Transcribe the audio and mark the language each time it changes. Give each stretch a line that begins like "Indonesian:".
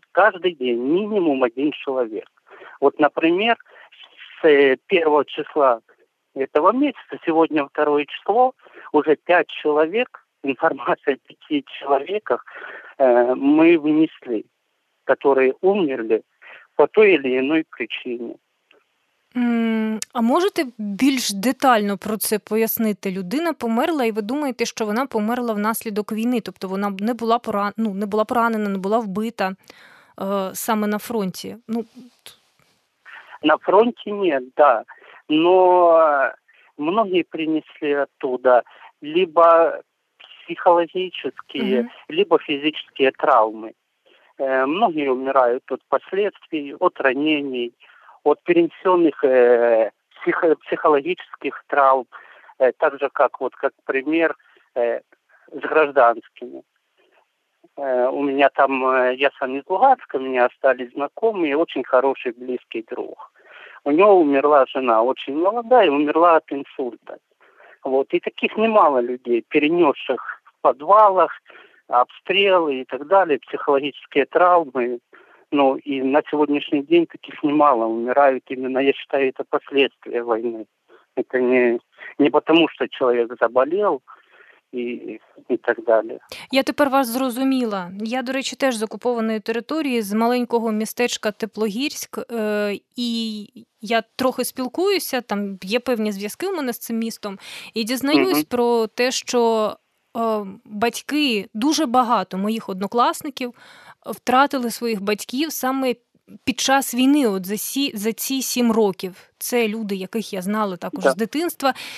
Russian: Каждый день минимум один человек. Вот, например, с 1 числа этого месяца, сегодня 2 число, уже 5 человек, информация о 5 человеках мы внесли, которые умерли по той или иной причине.
Ukrainian: А можете більш детально про це пояснити? Людина померла, і ви думаєте, що вона померла внаслідок війни, тобто вона не була поранена, не була вбита саме на фронті. На фронті ні, да.
Russian: Но многі принесли оттуда либо
Ukrainian: психологічні,
Russian: либо
Ukrainian: фізичні травми.
Russian: Многие умирают от последствий, от ранений, от перенесенных психологических травм, так же, как пример с гражданскими. У меня там, я сам из Луганска, у меня остались знакомые, очень хороший близкий друг. У него умерла жена, очень молодая, умерла от инсульта. Вот. И таких немало людей, перенесших в подвалах обстрелы и так далее, психологические травмы. Ну, и на сегодняшний день таких немало умирают именно, я считаю, это последствия войны. Это не потому, что человек заболел,
Ukrainian: і так далі. Я тепер вас зрозуміла. Я, до речі, теж з окупованої території, з маленького містечка Теплогірськ, і я трохи спілкуюся, там є певні зв'язки у мене з цим містом, і дізнаюсь угу. про те, що батьки, дуже багато моїх однокласників втратили своїх батьків саме під час війни, от за ці 7 років, це люди, яких я знала також так. з дитинства.